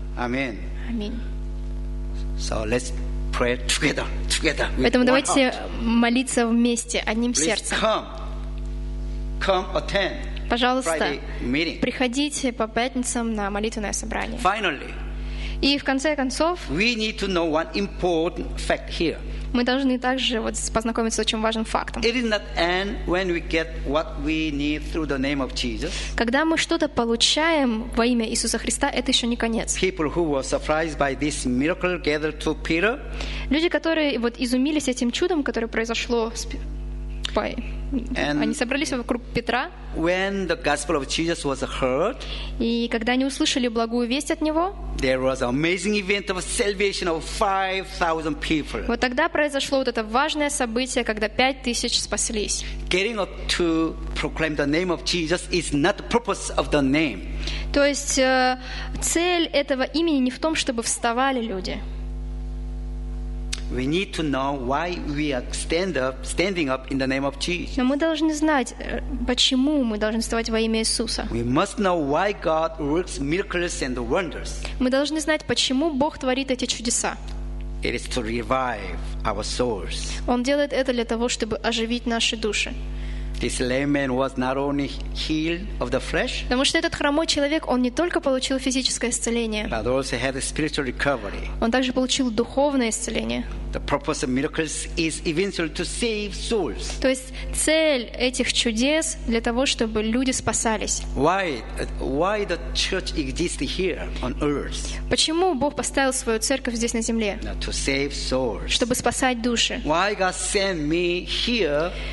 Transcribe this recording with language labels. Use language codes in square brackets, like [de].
[ru] Аминь. Аминь. [en] So let's pray together. [ru] Поэтому давайте молиться вместе, одним сердцем. [en] Come attend. [ru] Пожалуйста, приходите по пятницам на молитвенное собрание. [en] Finally, [ru] и в конце концов, [en] we need to know one important fact here. [ru] Мы должны также вот познакомиться с очень важным фактом. [en] It is not end when we get what we need through the name of Jesus. [ru] Когда мы что-то получаем во имя Иисуса Христа, это еще не конец. [en] People who were surprised by this miracle gathered to Peter. [ru] Люди, которые вот изумились этим чудом, которое произошло толпой. And они собрались вокруг Петра. [en] When the gospel of Jesus was heard, [ru] и когда они услышали благую весть от него, [en] there was an amazing event of salvation of 5,000 people. [ru] Вот тогда произошло вот это важное событие, когда 5,000 спаслись. [en] Getting up to proclaim the name of Jesus is not the purpose of the name. [ru] То есть цель этого имени не в том, чтобы вставали люди. [en] We need to know why we are standing up in the name of Jesus. [ru] Но мы должны знать, почему мы должны вставать во имя Иисуса. [en] We must know why God works miracles and wonders. [ru] Мы должны знать, почему Бог творит эти чудеса. [en] It is to revive our souls. [ru] Он делает это для того, чтобы оживить наши души. [en] This lame man was not only healed of the flesh. [ru] Потому что этот хромой человек, он не только получил физическое исцеление. [en] But also had a spiritual recovery. [ru] Он также получил духовное исцеление. [en] The purpose of miracles is eventually to save souls. [ru] То есть цель этих чудес для того, чтобы люди спасались. [en] Why the church exists here on earth? [ru] Почему Бог поставил свою церковь здесь на земле? [en] To save souls. [ru] Чтобы спасать души. [en] Why God sent me here?